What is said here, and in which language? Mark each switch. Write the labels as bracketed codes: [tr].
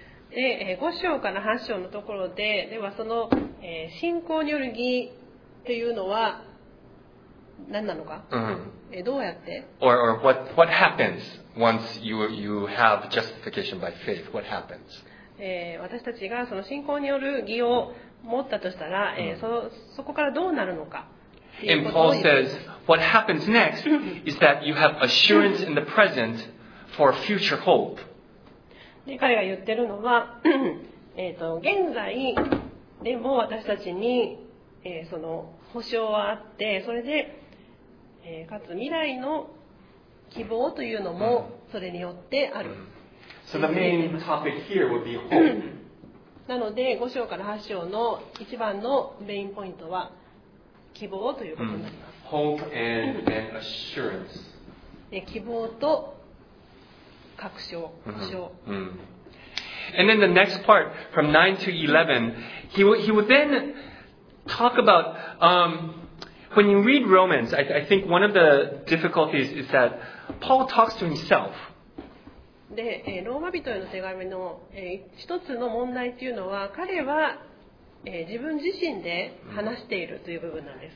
[ja] で、5章から8章のところで、ではその、信仰による義というのは何なのか、 mm-hmm. どうやって [en] or what happens once you have justification by faith? What happens?、 [ja] 私たちがその信仰による義を持ったとしたら、mm-hmm. そこからどうなるのか。 [en] And Paul says, what happens next is that you have assurance in the present for future hope. [ja] で彼が言ってるのは、現在でも私たちに、その保証はあって、それで、かつ未来の希望というのもそれによってある。 [en] So the main topic here would be hope. [ja] なので、5章から8章の一番のメインポイントは、希望ということになります。 [en] Hope and assurance. [ja] で、希望と確証、保証。 [en] And then the next part, from 9 to 11, he would then talk about, when you read Romans, I think one of the difficulties is that Paul talks to himself. [ja] で、ローマ人への手紙の、一つの問題というのは、彼は、自分自身で話しているという部分なんです。